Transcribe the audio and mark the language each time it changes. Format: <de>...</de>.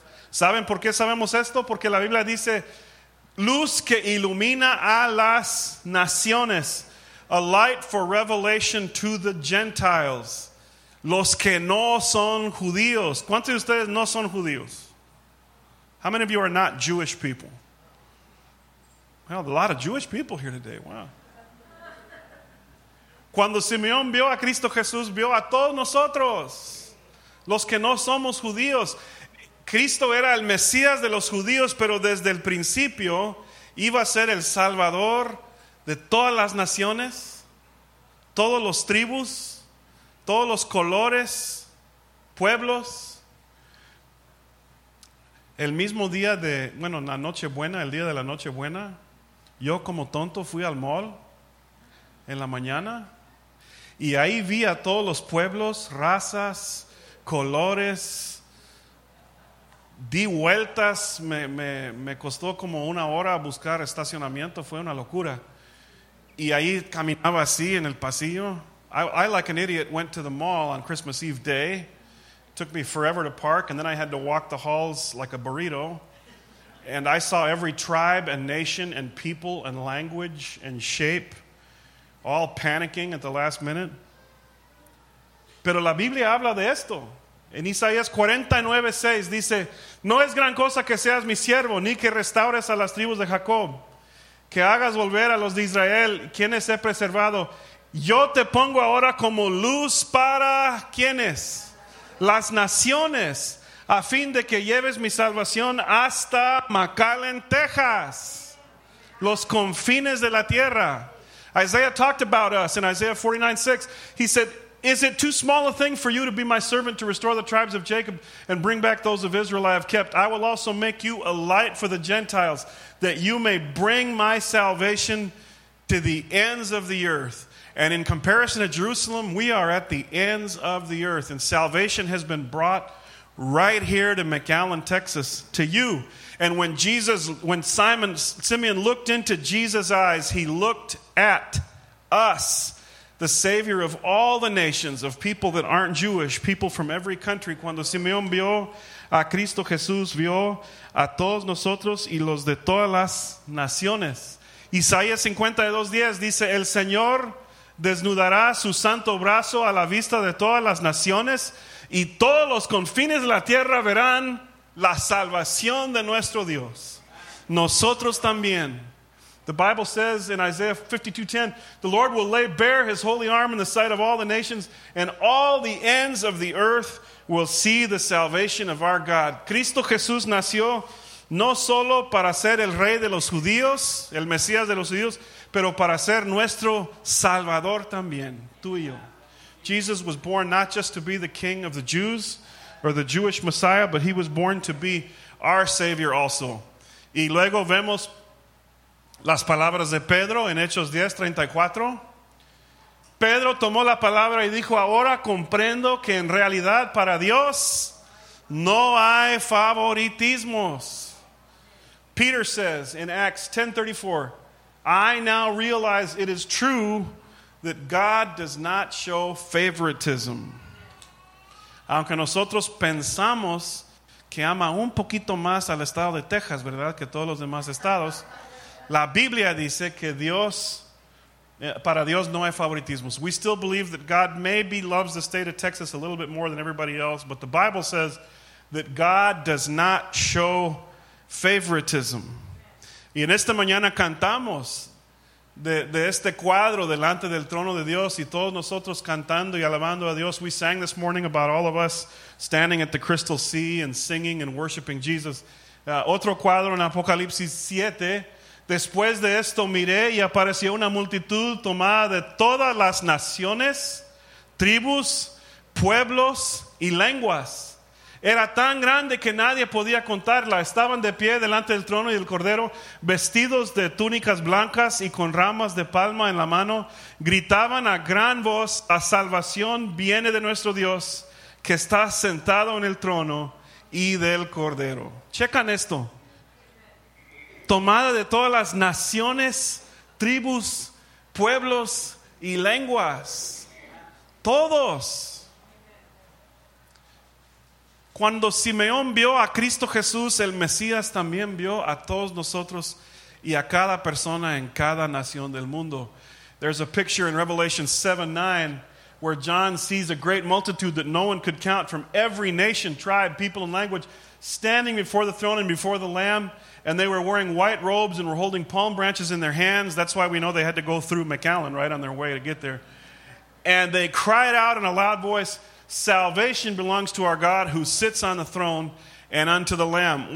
<es>¿Saben por qué sabemos esto? Porque la Biblia dice, luz que ilumina a las naciones,</es> <en>a light for revelation to the Gentiles,</en> <es>los que no son judíos. ¿Cuántos de ustedes no son judíos?</es> <en>How many of you are not Jewish people? Well, a lot of Jewish people here today, wow.</en> <es>Cuando Simeón vio a Cristo Jesús, vio a todos nosotros, los que no somos judíos. Cristo era el Mesías de los judíos, pero desde el principio iba a ser el Salvador de todas las naciones, todos los tribus, todos los colores, pueblos. El mismo día de, bueno, la noche buena, el día de la noche buena, yo como tonto fui al mall en la mañana y ahí vi a todos los pueblos, razas, colores. Di vueltas, me costó como una hora buscar estacionamiento, fue una locura. Y ahí caminaba así en el pasillo.</es> <en>I like an idiot went to the mall on Christmas Eve day. It took me forever to park, and then I had to walk the halls like a burrito. And I saw every tribe and nation and people and language and shape, all panicking at the last minute.</en> <es>Pero la Biblia habla de esto. En Isaías 49:6 dice, no es gran cosa que seas mi siervo, ni que restaures a las tribus de Jacob, que hagas volver a los de Israel, quienes he preservado. Yo te pongo ahora como luz para ¿quiénes? Las naciones, a fin de que lleves mi salvación hasta McAllen, Texas, los confines de la tierra.</es> <en>Isaiah talked about us in Isaiah 49:6. He said, is it too small a thing for you to be my servant to restore the tribes of Jacob and bring back those of Israel I have kept? I will also make you a light for the Gentiles, that you may bring my salvation to the ends of the earth. And in comparison to Jerusalem, we are at the ends of the earth. And salvation has been brought right here to McAllen, Texas, to you. And when Jesus, when Simeon looked into Jesus' eyes, he looked at us, the Savior of all the nations, of people that aren't Jewish, people from every country.</en> <es>Cuando Simeón vio a Cristo Jesús, vio a todos nosotros y los de todas las naciones. Isaías 52:10 dice, el Señor desnudará su santo brazo a la vista de todas las naciones y todos los confines de la tierra verán la salvación de nuestro Dios. Nosotros también.</es> <en>The Bible says in Isaiah 52:10, the Lord will lay bare his holy arm in the sight of all the nations, and all the ends of the earth will see the salvation of our God.</en> <es>Cristo Jesús nació no solo para ser el rey de los judíos, el Mesías de los judíos, pero para ser nuestro salvador también, tú y yo.</es> <en>Jesus was born not just to be the king of the Jews or the Jewish Messiah, but he was born to be our Savior also.</en> <es>Y luego vemos las palabras de Pedro en Hechos 10:34. Pedro tomó la palabra y dijo, ahora comprendo que en realidad para Dios no hay favoritismos.</es> <en>Peter says in Acts 10:34, I now realize it is true that God does not show favoritism.</en> <es>Aunque nosotros pensamos que ama un poquito más al estado de Texas, ¿verdad?, que todos los demás estados. La Biblia dice que Dios, para Dios no hay favoritismos.</es> <en>We still believe that God maybe loves the state of Texas a little bit more than everybody else, but the Bible says that God does not show favoritism.</en> <es>Y en esta mañana cantamos de este cuadro delante del trono de Dios y todos nosotros cantando y alabando a Dios.</es> <en>We sang this morning about all of us standing at the crystal sea and singing and worshiping Jesus.</en> <es>Otro cuadro en Apocalipsis 7. Después de esto miré y apareció una multitud tomada de todas las naciones, tribus, pueblos y lenguas. Era tan grande que nadie podía contarla. Estaban de pie delante del trono y del cordero, vestidos de túnicas blancas y con ramas de palma en la mano. Gritaban a gran voz: la salvación viene de nuestro Dios, que está sentado en el trono y del cordero. Checan esto. Tomada de todas las naciones, tribus, pueblos y lenguas. Todos. Cuando Simeón vio a Cristo Jesús, el Mesías también vio a todos nosotros y a cada persona en cada nación del mundo.</es> <en>There's a picture in Revelation 7:9 where John sees a great multitude that no one could count from every nation, tribe, people, and language standing before the throne and before the Lamb. And they were wearing white robes and were holding palm branches in their hands. That's why we know they had to go through McAllen, right, on their way to get there. And they cried out in a loud voice, salvation belongs to our God who sits on the throne and unto the Lamb.</en>